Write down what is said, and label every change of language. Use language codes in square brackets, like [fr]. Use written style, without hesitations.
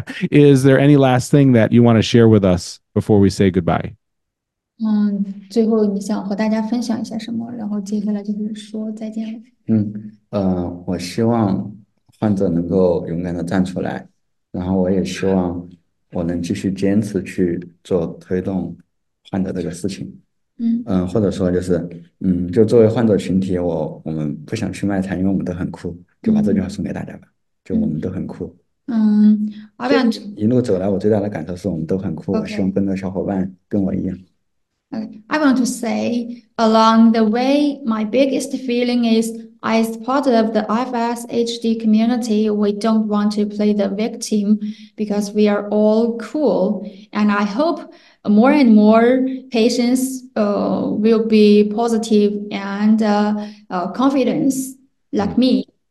[en] Is there any last thing that you want to share with us before we say goodbye? [zh] 最后你想和大家分享一下什么，然后接下来就是说再见了。我希望患者能够勇敢地站出来，然后我也希望我能继续坚持去做推动患者这个事情。或者说就是，就作为患者群体，我们不想去卖惨，因为我们都很酷，就把这句话送给大家吧。就我们都很酷，好就想知一路走来，我最大的感受是我们都很酷。我希望 [en] ，OK，OK，I [zh] 更多小伙伴跟我一样。 [en] want to say along the way, my biggest feeling is as part of the FSHD community, we don't want to play the victim because we are all cool. And I hope more and more patients will be positive and confidence like me.